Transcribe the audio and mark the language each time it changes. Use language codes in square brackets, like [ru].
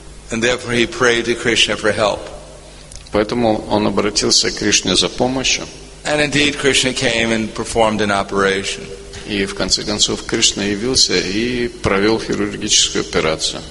[en] And therefore he prayed to Krishna for help. [ru] Поэтому он обратился к Кришне за помощью. [en] And indeed, Krishna came and performed an operation. [ru] И в конце концов Кришна явился и провел хирургическую операцию.